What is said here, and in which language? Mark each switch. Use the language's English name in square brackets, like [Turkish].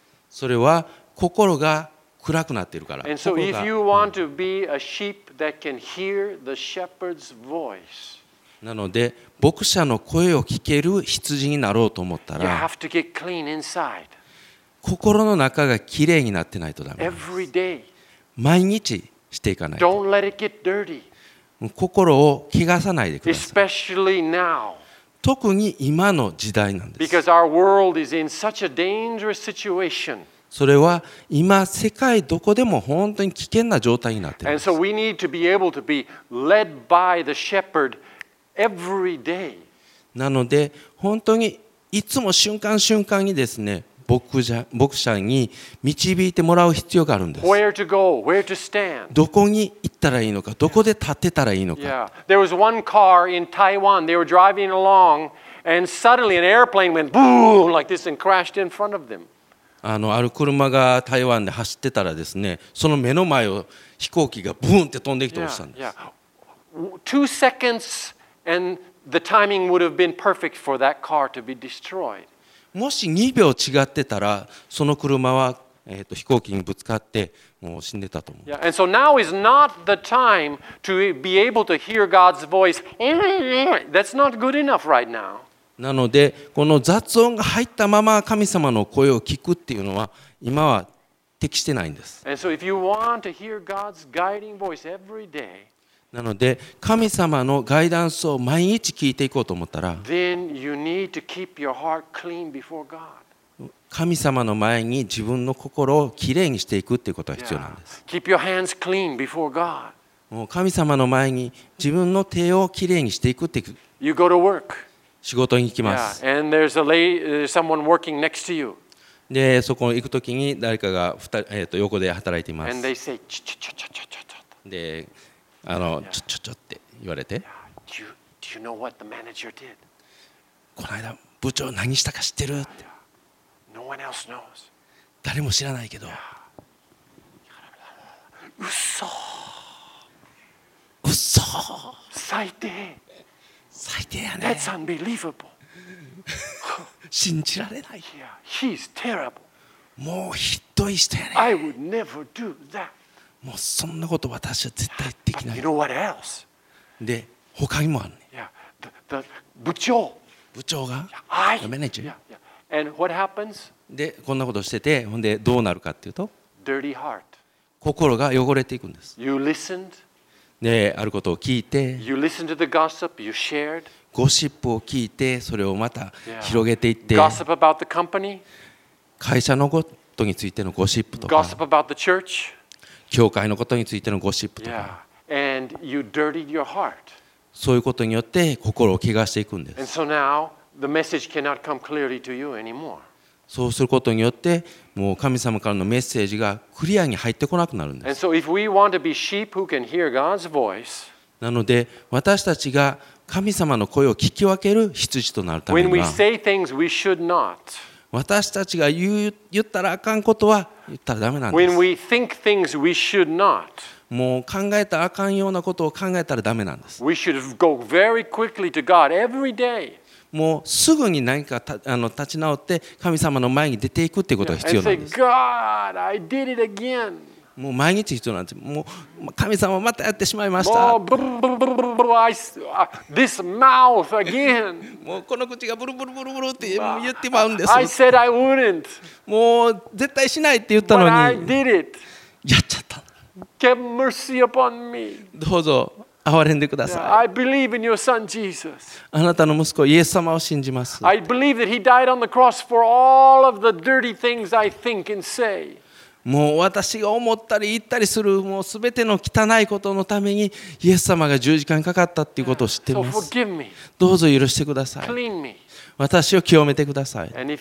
[Japanese] それは心が暗くなっているから。 [English] And so if you want to be a sheep that can hear the shepherd's voice, [Japanese] なので牧者の声を聞ける羊になろうと思ったら、 [English] you have to get clean inside. [Japanese] 心の中がきれいになってないとダメです。 [English] Every day. [Japanese] 毎日していかないと。 [English] Don't let it get dirty. [Japanese] 心を汚さないでください。 [English] Especially now. [Japanese] 特に今の時代なんです。 [English] Because our world is in such a dangerous situation. [Japanese] それは今世界どこでも本当に危険な状態になっています。 [English] And so we need to be able to be led by the shepherd every day. [Japanese] なので本当にいつも瞬間瞬間にですね、牧者に導いてもらう必要があるんです。 [English] Where to go? Where to stand? [Japanese] どこに行ったらいいのか、どこで立ってたらいいのか。 [English] Yeah. There was one car in Taiwan. They were driving along, and suddenly an airplane went boom like this and crashed in front of them. [Japanese] ある車が台湾で走ってたらですね、その目の前を飛行機がブーンって飛んできて落ちたんです。 [English] Yeah. Two seconds, and the timing would have been perfect for that car to be destroyed. [Japanese] もし2秒違ってたら、その車は飛行機にぶつかってもう死んでたと思う。 [English] Yeah, and so now is not the time to be able to hear God's voice. That's not good enough right now. [Japanese] なので、この雑音が入ったまま神様の声を聞くっていうのは今は適してないんです。 [English] And so if you want to hear God's guiding voice every day. [Japanese] なので神様のガイダンスを毎日聞いていこうと思ったら、 [English] Then you need to keep your heart clean before God. [Japanese] 神様の前に自分の心をきれいにしていくっていうことが必要なんです。 [English] Yeah. Keep your hands clean before God. [Japanese] もう神様の前に自分の手をきれいにしていくっていう。 [English] You go to work. [Japanese] 仕事に行きます。 [English] Yeah. And there's a lady, someone working next to you. [Japanese] でそこに行くときに誰かが横で働いています。 [English] And they say [Japanese] ちょちょちょちょちょちょ。で。ちょって言われて。 [English] Do you know what the manager did? [Japanese] この間部長何したか知ってる？って。 [English] No one else knows. [Japanese] 誰も知らないけど。嘘。最低やね。 [English] That's unbelievable. [Japanese] 信じられない。 [English] Yeah, he's terrible. [Japanese] もうひどい人やね。 [English] I would never do that. [Japanese] もうそんなこと私は絶対言ってきない。 [English] You know what else? [Japanese] で、他にもあるね。 [English] Yeah, the 部長。 [Japanese] 部長が。 [English] Yeah, the manager. Yeah, yeah. And what happens? [Japanese] で、こんなことしてて、ほんでどうなるかっていうと、 [English] Dirty heart. [Japanese] 心が汚れていくんです。 [English] You listened. [Japanese] で、あることを聞いて、 [English] You listened to the gossip. You shared. [Japanese] ゴシップを聞いて、それをまた広げていって、 [English] Yeah. Gossip about the company. [Japanese] 会社のことについてのゴシップとか、 [English] Gossip about the church. [Japanese] 教会のことについてのゴシップとか、 [English] yeah. And you dirtied your heart. [Japanese] そういうことによって心を汚していくんです。 [English] And so now, the message cannot come clearly to you anymore. [Japanese] そうすることによってもう神様からのメッセージがクリアに入ってこなくなるんです。 [English] And so if we want to be sheep who can hear God's voice, [Japanese] なので私たちが神様の声を聞き分ける羊となるためには、 [English] When we say things we should not, [Japanese] 私たちが言ったらあかんことは言ったらダメなんです。 [English] When we think things we should not, [Japanese] もう考えたらあかんようなことを考えたらダメなんです。 [English] We should go very quickly to God every day. [Japanese] もうすぐに何か立ち直って神様の前に出ていくっていうことが必要なんです。 [English] And say, God, I did it again. [Japanese] もう毎日人なんて、もう神様またやってしまいました。もうブルブルブルブル、 [English] This mouth again。 [Japanese] もうこの口がブルブルブルブルって言ってまうんです。 [English] I said I wouldn't。 [Japanese] もう絶対しないって言ったのに。 [English] But I did it。 [Japanese] やっちゃった。 [English] Get mercy upon me。 [Japanese] どうぞ憐れんでください。 [English] I believe in your son Jesus。 [Japanese] あなたの息子イエス様を信じます。 [English] I believe that he died on the cross for all of the dirty things I think and say。 [Japanese] もう私が思ったり言ったりするもう全ての汚いことのためにイエス様が十字架にかかったということを知っています。どうぞ許してください。私を清めてください。